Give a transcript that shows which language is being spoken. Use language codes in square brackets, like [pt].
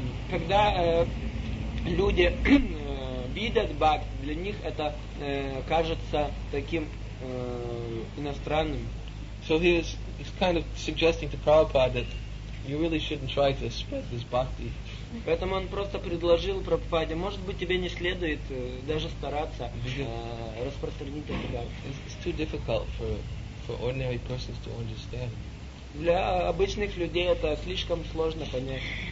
[ru] Когда люди видят бхакти, для них это кажется таким иностранным. [en] So he's kind of suggesting to Prabhupada that you really shouldn't try to spread this bhakti. [ru] Поэтому он просто предложил Прабхупаде, может быть, тебе не следует даже стараться распространить это бхакти. [en] It's too difficult for ordinary persons to understand. [ru] Для обычных людей это слишком сложно понять.